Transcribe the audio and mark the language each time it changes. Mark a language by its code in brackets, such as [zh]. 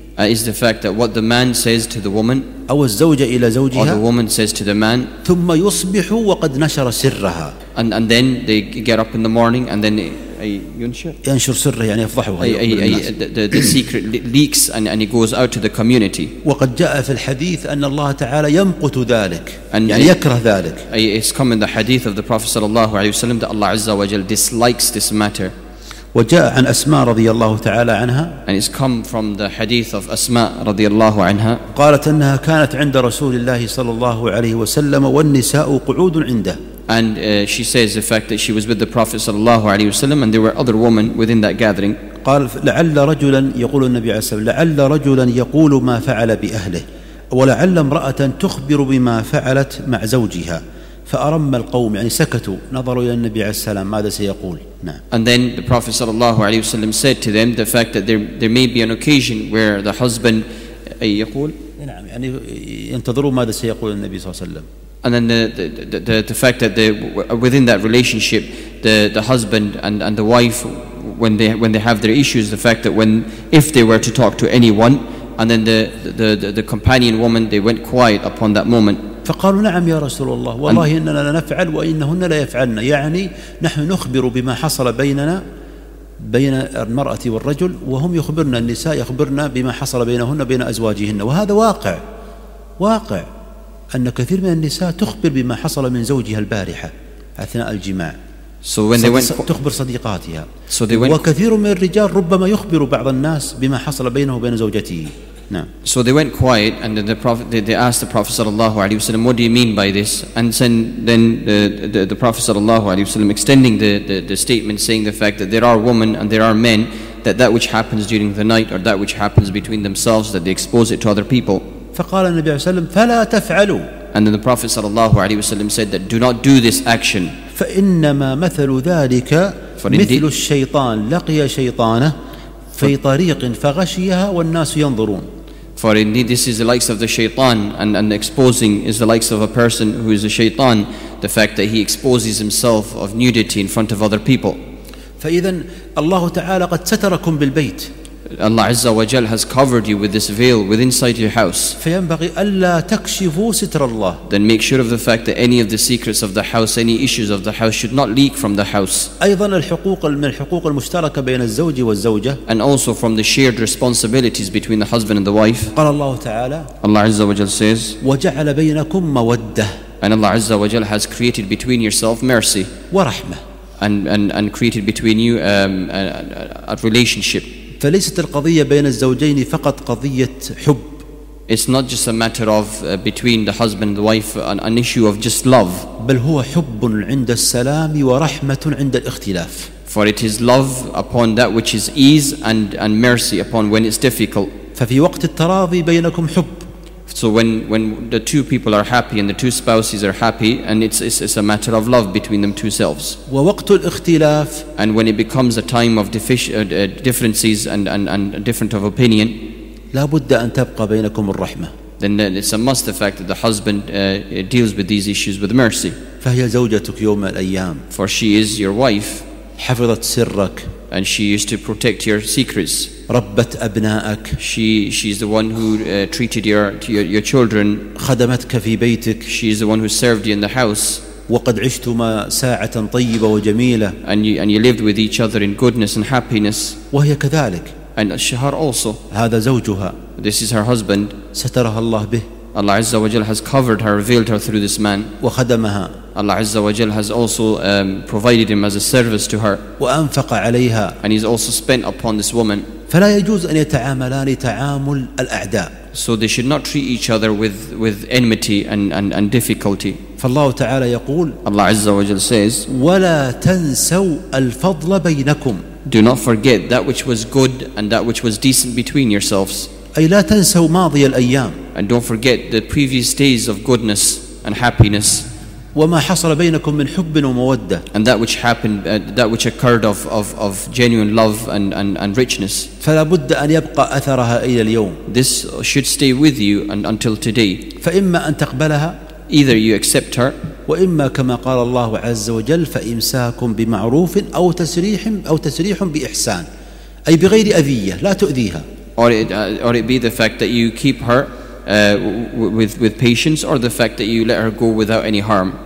[en] Is the fact that what the man says to the woman. [ar] أو الزوجة إلى زوجها. [en] Or the woman says to the man. [ar] ثم يصبح وقد نشر سرها. [en] And then they get up in the morning and then. [ar] أي ينشر؟ ينشر سره يعني يفضحه. أي [en] the secret leaks and it goes out to the community. [ar] وقد جاء في الحديث أن الله تعالى يمقت ذلك. يعني يكره ذلك. أي [en] it's come in the hadith of the Prophet [ar] صلى الله عليه وسلم [en] that Allah [ar] عز وجل [en] dislikes this matter. [ar] وجاء عن أسماء رضي الله تعالى عنها. [en] And it's come from the hadith of أسماء [ar] رضي الله عنها. قالت أنها كانت عند رسول الله صلى الله عليه وسلم والنساء قعود عنده. [en] And she says the fact that she was with the Prophet [ar] صلى الله عليه وسلم [en] and there were other women within that gathering. [ar] قال لعل رجلا يقول النبي عليه الصلاة والسلام لعل رجلا يقول ما فعل بأهله ولعل امرأة تخبر بما فعلت مع زوجها. فأرم القوم يعني سكتوا نظروا إلى النبي عليه السلام ماذا سيقول. [en] And then the Prophet [ar] صلى الله عليه وسلم [en] said to them the fact that there may be an occasion where the husband [ar] يقول نعم يعني ينتظروا ماذا سيقول النبي صلى الله عليه وسلم. [en] And then the fact that within that relationship the husband and the wife when they have their issues the fact that when if they were to talk to anyone and then the companion woman they went quiet upon that moment. [ar] فقالوا نعم يا رسول الله والله إننا لنفعل وإنهن لا يفعلن يعني نحن نخبر بما حصل بيننا بين المرأة والرجل وهم يخبرنا النساء يخبرنا بما حصل بينهن بين أزواجهن وهذا واقع واقع أن كثير من النساء تخبر بما حصل من زوجها البارحة أثناء الجماع تخبر صديقاتها وكثير من الرجال ربما يخبر بعض الناس بما حصل بينه وبين زوجته. [en] So they went quiet, and then the Prophet they asked the Prophet [ar] sallallahu alaihi wasallam, [en] "What do you mean by this?" And then the Prophet [ar] sallallahu alaihi wasallam [en] extending the statement, saying the fact that there are women and there are men, that which happens during the night or that which happens between themselves, that they expose it to other people. [ar] فقال النبي صلى الله عليه وسلم فلا تفعلوا. [en] And then the Prophet [ar] sallallahu alaihi wasallam [en] said that do not do this action. [ar] فإنما مثل ذلك مثل الشيطان لقي شيطانه. في طريق فغشيها والناس ينظرون. [en] For indeed this is the likes of the shaitan and exposing is the likes of a person who is a shaitan the fact that he exposes himself of nudity in front of other people. [ar] فإذا الله تعالى قد ستركم بالبيت. [en] Allah [ar] Azza wa Jal [en] has covered you with this veil with inside your house. [ar] فينبغي ألا تكشفوا ستر الله. [en] Then make sure of the fact that any of the secrets of the house, any issues of the house, should not leak from the house. [ar] أيضا الحقوق من الحقوق المشتركة بين الزوج والزوجة. [en] And also from the shared responsibilities between the husband and the wife. [ar] قال الله تعالى. [en] Allah [ar] Azza wa Jal [en] says. [ar] وجعل بينكم مودة. [en] And Allah [ar] Azza wa Jal [en] has created between yourself mercy. [ar] ورحمة. [en] And created between you a relationship. [ar] فليست القضية بين الزوجين فقط قضية حب. [en] It's not just a matter of between the husband and the wife an issue of just love. [ar] بل هو حب عند السلام ورحمة عند الاختلاف. [en] For it is love upon that which is ease and mercy upon when it's difficult. [ar] ففي وقت التراضي بينكم حب. [en] So when the two people are happy and the two spouses are happy and it's a matter of love between them two selves. [ar] ووقت الاختلاف. [en] And when it becomes a time of differences and different of opinion. [ar] لا بد أن تبقى بينكم الرحمة. [en] Then it's a must the fact that the husband deals with these issues with mercy. [ar] فهي زوجتك يوم الأيام. [en] For she is your wife. [ar] حفظت سرك. [en] And she used to protect your secrets. [ar] ربت أبنائك. [en] She's the one who treated your children. [ar] خدمتك في بيتك. [en] She's the one who served you in the house. [ar] وقد عشتما ساعة طيبة وجميلة. [en] And you lived with each other in goodness and happiness. [ar] وهي كذلك. [en] And her also. [ar] هذا زوجها. [en] This is her husband. [ar] سترها الله به. [en] Allah [ar] Azza wa Jal [en] has covered her, revealed her through this man. [ar] وخدمها. [en] Allah [ar] Azza wa Jal [en] has also provided him as a service to her. [ar] وأنفق عليها. [en] And he's also spent upon this woman. [ar] فلا يجوز أن يتعاملان تعامل الأعداء. [en] So they should not treat each other with enmity and difficulty. [ar] فالله تعالى يقول. [en] Allah [ar] Azza wa Jal [en] says. [ar] ولا تنسوا الفضل بينكم. [en] Do not forget that which was good and that which was decent between yourselves. [ar] أي لا تنسوا ماضي الأيام. [en] And don't forget the previous days of goodness and happiness. [ar] وما حصل بينكم من حب ومودة. [en] And that which happened, that which occurred of genuine love and richness. [ar] فلا بد أن يبقى أثرها إلى اليوم. [en] This should stay with you until today. [ar] فإما أن تقبلها. [en] Either you accept her. [ar] وإما كما قال الله عز وجل فإمساكم بمعروف أو تسريح بإحسان. أي بغير أذية لا تؤذيها. [en] Or it be the fact that you keep her with patience, or the fact that you let her go without any harm.